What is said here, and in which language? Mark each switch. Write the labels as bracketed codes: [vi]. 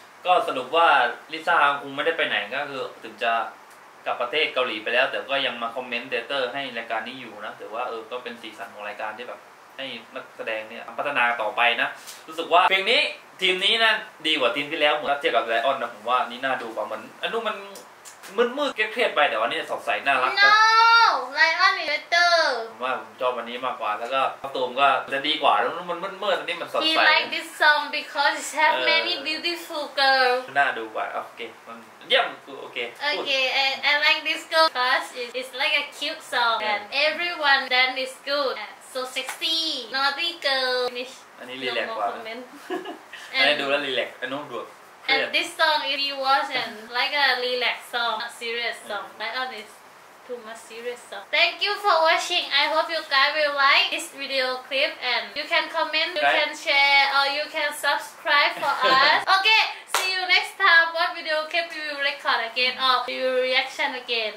[th] ก็สรุปว่าลิซ่าคงไม่ได้ไปไหนก็คือถึงจะกลับประเทศเกาหลีไปแล้วแต่ก็ยังมาคอมเมนต์เตอร์ให้รายการนี้อยู่นะถือว่าก็เป็นสีสันของรายการที่แบบให้นักแสดงเนี่ยพัฒนาต่อไปนะรู้สึกว่าเพลงนี้ทีมนี้นะดีกว่าทีมที่แล้วเหมือนเทียบกับไลออนนะผมว่านี่น่าดูกว่าเหมือนอันนู้นมันมืดๆเครียดๆไปแต่ว่านี่สดใสน่ารัก จังไลออนเตอร์ผมว่าผมชอบอันนี้มากกว่าแล้วก็ตูมก็จะดีกว่าแล้วมันมืดๆอันนี้มันสดใส [en] He like this song because it have many beautiful girl [th] น่าดูกว่าโอเคมันเยี่ยมโอเค [en] โอเค I like this girl because it's like a cute song and everyone then is good so sexy naughty girl finish [th] อันนี้รีแลกกว่าอันนี้ดูแล้วรีแลกอันนู้นดู [en] And this song if you watch and like a relax song, not serious song. Like all this too much serious song. Thank you for watching. I hope you guys will like this video clip and you can comment, you can share or you can subscribe for us. Okay, see you next time. What video clip we will record again or your reaction again.